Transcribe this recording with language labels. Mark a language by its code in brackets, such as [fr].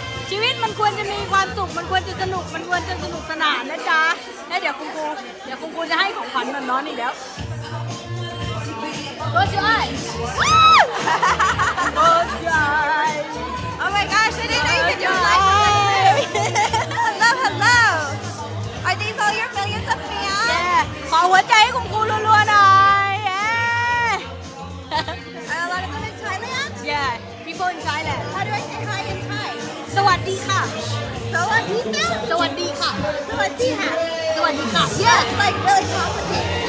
[th] ชีวิตมันควรจะมีความสุขมันควรจะสนุกมันควรจะสนุกสนานนะจ๊ะแล้วเดี๋ยวคุณครูจะให้ของขวัญมันน้องอีกแล้ว [en] Close your eyes Close your eyes Oh my gosh, I didn't know you could do live from like this. Hello. Are these all your millions of fans? Yeah. [th] ขอหัวใจให้คุณครูรัวๆหน่อย Yeah. [en] Are a lot of them in Thailand? Yeah. People in Thailand. How do I say hi in Thailand? [th] สวัสดีค่ะ สวัสดีค่ะ สวัสดีค่ะ สวัสดีค่ะ สวัสดีค่ะ [en] Yes like really complicated